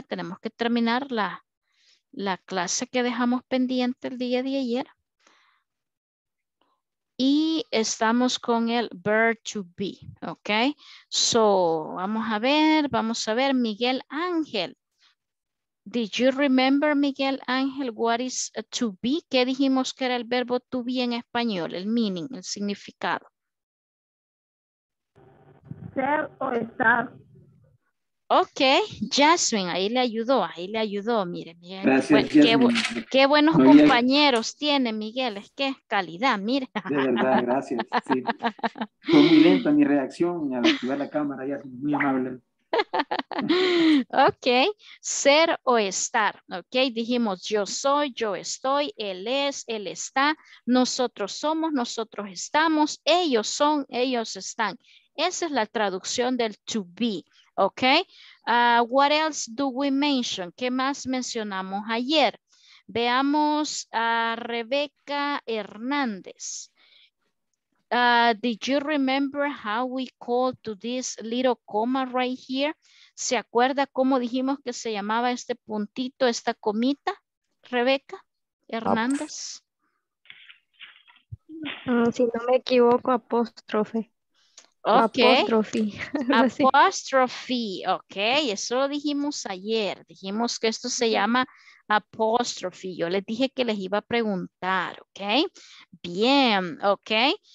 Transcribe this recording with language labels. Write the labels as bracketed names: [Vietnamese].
[Spanish] Tenemos que terminar la clase que dejamos pendiente el día de ayer. Y estamos con el verb to be, ¿ok? So, vamos a ver, Miguel Ángel. [English] Did you remember, Miguel Ángel, what is to be? [Spanish] ¿Qué dijimos que era el verbo to be en español? El meaning, el significado. Ser o estar. Ok, Jasmine, ahí le ayudó, mire, Miguel. Gracias, pues, qué buenos no, compañeros ya tiene, Miguel, es que calidad, mire. De verdad, gracias, sí. Fue muy lenta mi reacción al activar la cámara, ya, muy amable. Ok, ser o estar, ok, dijimos yo soy, yo estoy, él es, él está, nosotros somos, nosotros estamos, ellos son, ellos están. Esa es la traducción del to be. [English] Ok, what else do we mention? [Spanish] ¿Qué más mencionamos ayer? Veamos a Rebeca Hernández. [English] Did you remember how we called to this little comma right here? [Spanish] ¿Se acuerda cómo dijimos que se llamaba este puntito, esta comita, Rebeca Hernández? Si no me equivoco, apóstrofe. Okay. Apóstrofe. Apóstrofe, ok, eso lo dijimos ayer, dijimos que esto se llama apóstrofe, yo les dije que les iba a preguntar, ok, bien, ok.